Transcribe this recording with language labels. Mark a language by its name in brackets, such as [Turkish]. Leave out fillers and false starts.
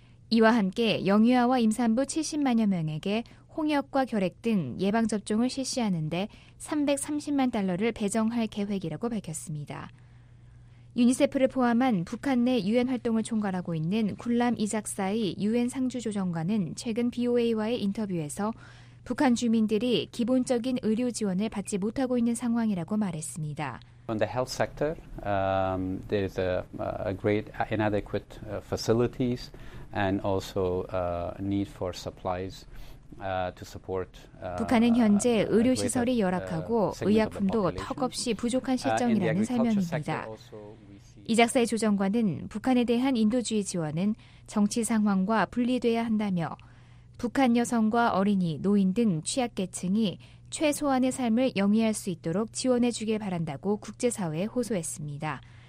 [Korean] 이와 함께 영유아와 임산부 70만여 명에게 홍역과 결핵 등 예방접종을 실시하는데 330만 달러를 배정할 계획이라고 밝혔습니다. 유니세프를 포함한 북한 내 유엔 활동을 총괄하고 있는 굴람 이작사의 유엔 상주조정관은 최근 BOA와의 인터뷰에서 북한 주민들이 기본적인 의료 지원을 받지 못하고 있는 상황이라고 말했습니다. [English] On the health sector, there is a great inadequate facilities and also need for supplies to support. [Korean] 북한은 현재 의료 시설이 열악하고 의약품도 턱없이 부족한 실정이라는 설명입니다. 이 작사의 조정관은 북한에 대한 인도주의 지원은 정치 상황과 분리돼야 한다며 북한 여성과 어린이, 노인 등 취약계층이 최소한의 삶을 영위할 수 있도록 지원해 주길 바란다고 국제사회에 호소했습니다.